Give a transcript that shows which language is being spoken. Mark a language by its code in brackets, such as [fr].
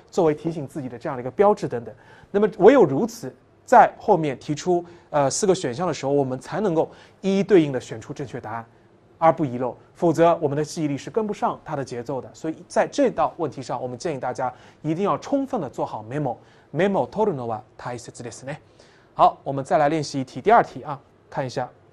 [zh] 作为提醒自己的这样的一个标志等等。那么唯有如此，在后面提出四个选项的时候，我们才能够一一对应的选出正确答案，而不遗漏，否则我们的记忆力是跟不上它的节奏的。所以在这道问题上，我们建议大家一定要充分的做好 memo。 [ja] メモを取るのは大切ですね。 [zh] 好、我们再来练习一题、第二题啊、看一下。